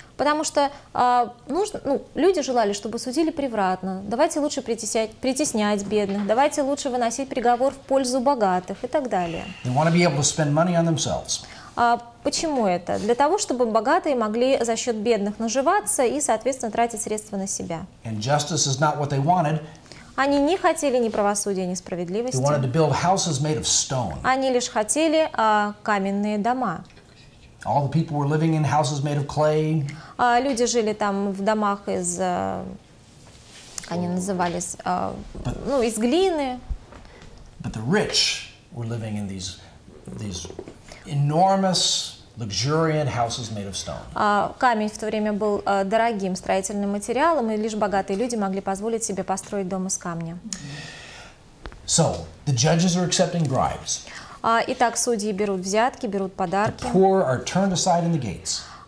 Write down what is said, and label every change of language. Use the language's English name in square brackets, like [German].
[Russian] Потому что люди желали, чтобы судили превратно. Давайте лучше притеснять бедных. Давайте лучше выносить приговор в пользу богатых и так далее. [English] They want to be able to spend money on themselves. [Russian] Почему это? Для того, чтобы богатые могли за счет бедных наживаться и, соответственно, тратить средства на себя. [English] And justice is not what they wanted. [Russian] Они не хотели ни правосудия, ни справедливости. [English] They wanted to build houses made of stone. [Russian] Они лишь хотели каменные дома. [English] All the people were living in houses made of clay. [Russian] Люди жили там в домах из, как они назывались, из глины. [English] But the rich were living in these enormous, luxuriant houses made of stone. [Russian] Камень в то время был дорогим строительным материалом, и лишь богатые люди могли позволить себе построить дом из камня. [English] So the judges are accepting bribes. [Russian] Итак, судьи берут взятки, берут подарки. [English] The poor are turned aside in the gates.